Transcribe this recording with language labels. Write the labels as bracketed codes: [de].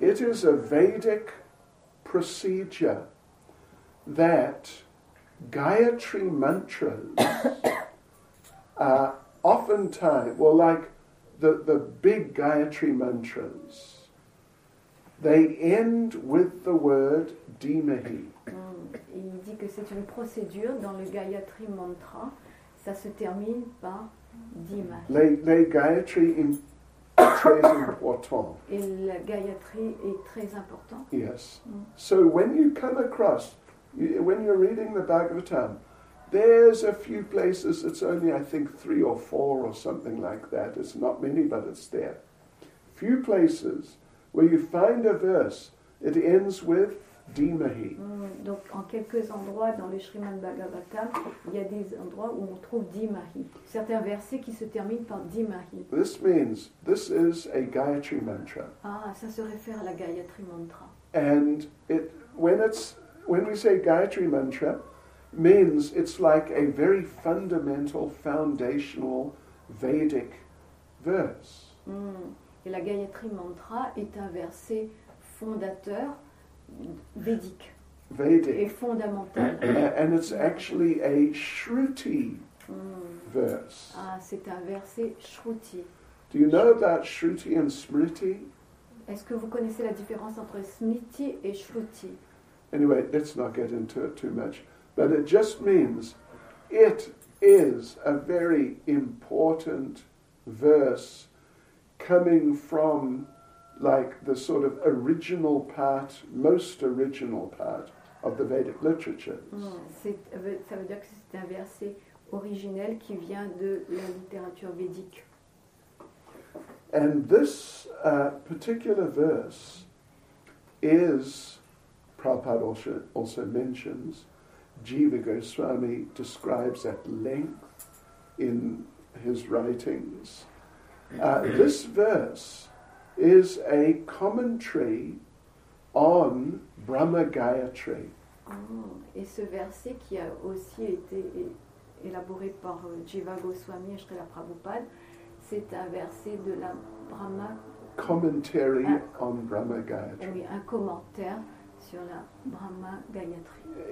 [en] It is a Vedic procedure that Gayatri mantras oftentimes, well, like the big Gayatri mantras, they end with the word dhimahi. [fr] Il dit que c'est une procédure dans le Gayatri mantra, ça se termine par dhimahi. Les Gayatri très important. Et la Gayatri est très important. [en] Yes. So when you come across, when you're reading the Bhagavatam, there's a few places, it's only, I think, 3 or 4 or something like that. It's not many, but it's there. Few places where you find a verse, it ends with dhimahi. [fr] Donc, en quelques endroits dans le Srimad Bhagavatam, il y a des endroits où on trouve dhimahi. Certains versets qui se terminent par dhimahi. [en] This means, this is a Gayatri mantra. [fr] Ah, ça se réfère à la Gayatri mantra. [en] And it, when it's, when we say Gayatri mantra, means it's like a very fundamental, foundational Vedic verse. [fr] Et la Gayatri mantra est un verset fondateur védique. [en] Vedic. [fr] Et fondamental. [en] And it's actually a Shruti verse. [fr] Ah, c'est un verset Shruti. [en] Do you know about Shruti and Smriti? [fr] Est-ce que vous connaissez la différence entre Smriti et Shruti? [en] Anyway, let's not get into it too much. But it just means it is a very important verse coming from, like the sort of original part, most original part of the Vedic literature. [fr] Ça veut dire que c'est un verset originel qui vient de la littérature védique. [en] And this particular verse is, Prabhupada also mentions, Jiva Goswami describes at length in his writings. This verse is a commentary on Brahma Gayatri. [fr] Et ce verset qui a aussi été élaboré par Jiva Goswami et Srila Prabhupada, c'est un verset de la Brahma... [en] Commentary on Brahma Gayatri. [fr] Oui, un commentaire sur la Brahma Gayatri.